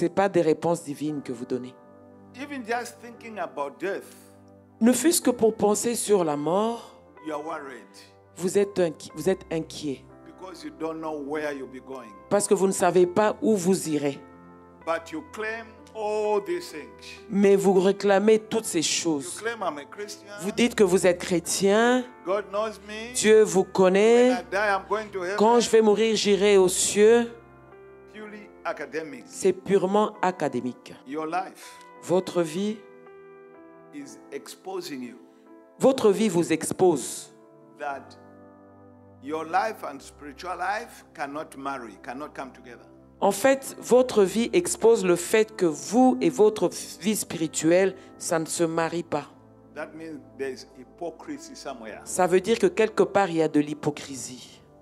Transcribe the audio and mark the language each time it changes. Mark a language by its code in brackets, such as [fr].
[fr] n'est pas des réponses divines que vous donnez. [en] Even just thinking about death, [fr] ne fût-ce que pour penser sur la mort, vous êtes inquiet. [en] Because you don't know where you'll be going. [fr] Parce que vous ne savez pas où vous irez. [en] But you claim all these things. [fr] Mais vous réclamez toutes ces choses. [en] You claim I'm a Christian. [fr] Vous dites que vous êtes chrétien. [en] God knows me. [fr] Dieu vous connaît. [en] When I die, I'm going to heaven. [fr] Quand je vais mourir, j'irai aux cieux. [en] Purely academic. [fr] C'est purement académique. [en] Your life. [fr] Votre vie. [en] Is exposing you. [fr] Votre vie vous expose. [en] That your life and spiritual life cannot marry, cannot come together. [fr] En fait, votre vie expose le fait que vous et votre vie spirituelle, ça ne se marie pas. [en] That means there's hypocrisy somewhere. [fr] Ça veut dire que quelque part il y a de l'hypocrisie.